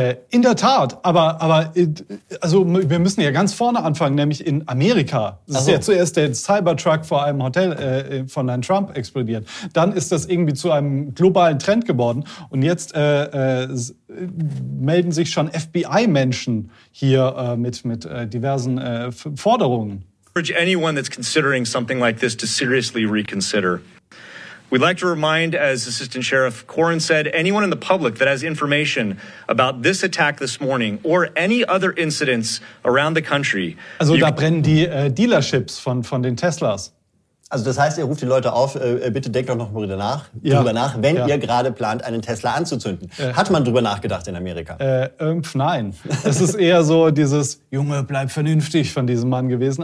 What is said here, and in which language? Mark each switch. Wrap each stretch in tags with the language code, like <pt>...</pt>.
<de>In der Tat, aber wir müssen ja ganz vorne anfangen, nämlich in Amerika. Das ist ja zuerst der Cybertruck vor einem Hotel von Herrn Trump explodiert. Dann ist das irgendwie zu einem globalen Trend geworden. Und jetzt melden sich schon FBI-Menschen hier mit diversen Forderungen.</de> <en>I urge anyone that's considering something like this to seriously reconsider. We'd like to remind, as Assistant Sheriff Corin said, anyone in the public that has information about this attack this morning or any other incidents around the country.</en> <de>Also da brennen die Dealerships von den Teslas. Also das heißt, ihr ruft die Leute auf, bitte denkt doch noch mal drüber nach, wenn ihr gerade plant, einen Tesla anzuzünden. Hat man drüber nachgedacht in Amerika? Nein. Es ist eher so dieses, Junge, bleib vernünftig von diesem Mann gewesen.</de>